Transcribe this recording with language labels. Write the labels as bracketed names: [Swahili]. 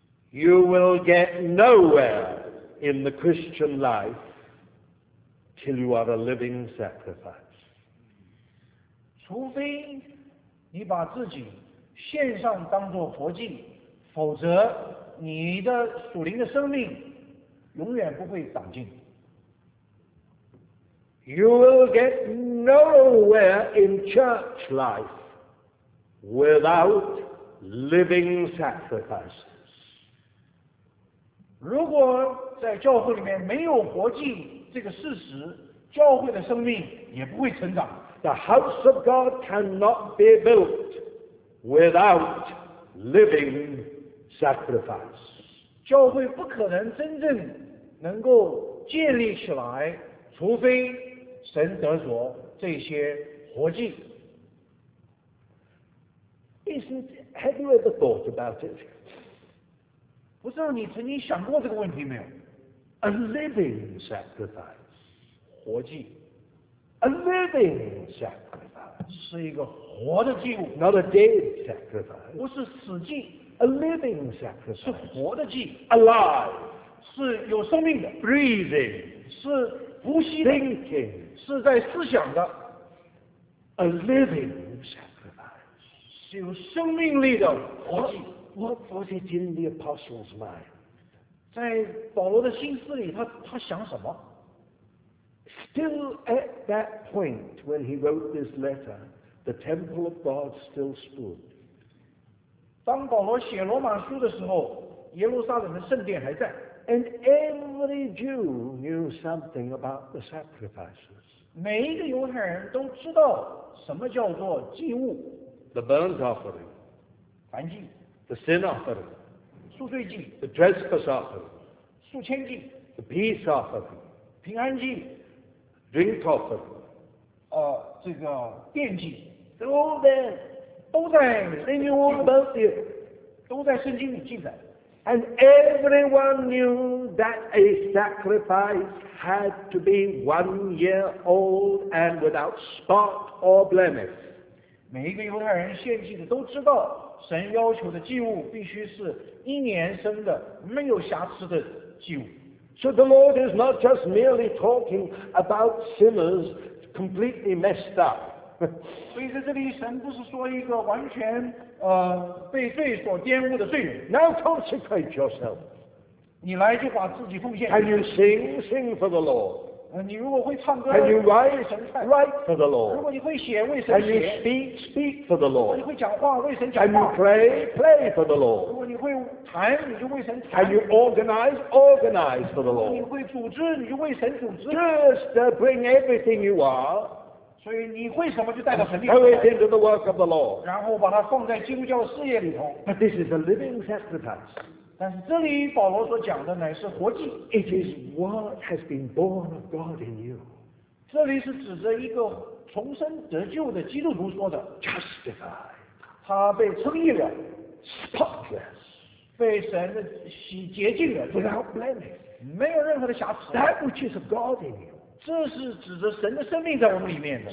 [English] You will get nowhere in the Christian lifeTill you are a living sacrifice. [Chinese] 除非你把自己献上当作活祭，否则你的属灵的生命永远不会长进。 [English] You will get nowhere in church life without living sacrifices. [Chinese] 如果在教会里面没有活祭这个事实教会的生命也不会成长 [English] The house of God cannot be built without living sacrifice [Chinese] 教会不可能真正能够建立起来，除非神得着这些活祭。 [English] Have you ever thought about it? [Chinese] 不知道你曾经想过这个问题没有？ [English] A living sacrifice, [Chinese] 活祭。 [English] A living sacrifice, [Chinese] 是一个活的祭物。 [English] Not a dead sacrifice, [Chinese] 不是死祭。 [English] A living sacrifice, [Chinese] 是活的祭。 [English] Alive, [Chinese] 是有生命的。 [English] Breathing, [Chinese] 是呼吸的。 [English] Thinking, [Chinese] 是在思想的。 [English] A living sacrifice. [Chinese] 是有生命力的活祭。 [English] What was it in the apostle's mind? [Chinese] 在保罗的心思里，他想什么？ [English] Still at that point when he wrote this letter, the temple of God still stood. [Chinese] 当保罗写罗马书的时候，耶路撒冷的圣殿还在。 [English] And every Jew knew something about the sacrifices. [Chinese] 每一个犹太人都知道什么叫做祭物。 [English] The burnt offering, [Chinese] 燔祭 [English] the sin offering, [Chinese] 赎罪祭 [English] the trespass offering, [Chinese] 赎愆祭 [English] the peace offering, [Chinese] 平安祭 [English] drink offering, [Chinese] 这个奠祭 [English] they're all there, [Chinese] 都在 [English] they knew all about it, [Chinese] 都在圣经里记载 [English] and everyone knew that a sacrifice had to be 1 year old and without spot or blemish. [Chinese] 每一个犹太人献祭的都知道，神要求的祭物必须是一年生的、没有瑕疵的祭物。 [English] So the Lord is not just merely talking about sinners completely messed up. [Chinese] 所以在这里，神不是说一个完全被罪所玷污的罪人。 [English] Now consecrate yourself. [Chinese] 你来就把自己奉献。 [English] Can you sing, sing for the Lord? [Chinese] 你如果会唱歌 [English] Can you write for the Lord? [Chinese] 如果你会写为神写 [English] Can you speak for the Lord? [Chinese] 如果你会讲话为神讲话 [English] Can you play for the Lord? [Chinese] 如果你会弹你就为神弹 [English] Can you organize for the Lord? [Chinese] 你会组织你就为神组织 [English] Just bring everything you are [Chinese] 所以你会什么就带到神面前 [English] Throw it into the work of the Lord [Chinese] 然后把它放在基督教事业里头 [English] But this is a living sacrifice [Chinese] 但是这里保罗所讲的乃是活祭。 [English] It is what has been born of God in you. [Chinese] 这里是指着一个重生得救的基督徒说的。 [English] Justified. [Chinese] 他被称义了。 [English] Spotless. [Chinese] 被神洗洁净了。 [English] Without blemish. [Chinese] 没有任何的瑕疵。 [English] That which is of God in you. [Chinese] 这是指着神的生命在我们里面的。